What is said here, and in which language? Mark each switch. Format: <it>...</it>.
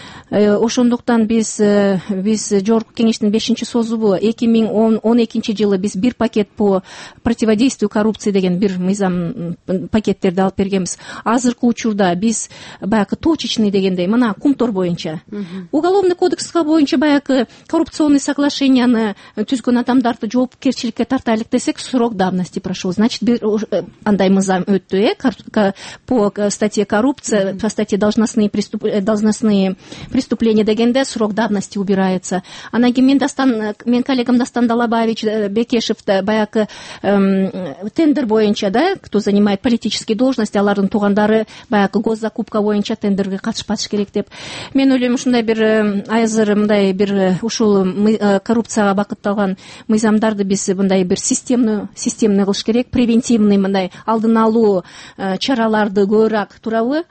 <ky>Ошондуктан биз жогорку кеңештин 5-чи созубу 2012-жылы биз бир пакет</ky> <ru>по противодействию коррупции</ru> <ky>деген бир мыйзам пакеттерди алып бергенбиз. Азыркы учурда биз баягы точечный дегендей мына кумтор боюнча уголовный кодекска боюнча баягы коррупционный соглашенияны түзгөн адамдарды жоопкерчиликке тартайлык десек</ky> <ru>срок давности прошел. Значит,</ru> <ky>бир андай мыйзам өттү,</ky> <ru>по статье коррупция, по статье должностные преступления</ru> <ky>дегенде</ky> <ru>срок давности убирается.</ru> <ky>Анан кийин мен коллегам Дастан Далабаевич Бекешев да баягы тендер боюнча да,</ky> <ru>кто занимает политические должности,</ru> <ky>алардын туугандары баягы госзакупка боюнча тендерге катышпашы керек деп. Мен ойлойм, ушундай бир азыр мындай бир ушул коррупцияга бакытталган мыйзамдарды биз мындай бир системный кылыш керек, превентивный мындай алдын алуу чараларды көбүрөөк турабы.</ky>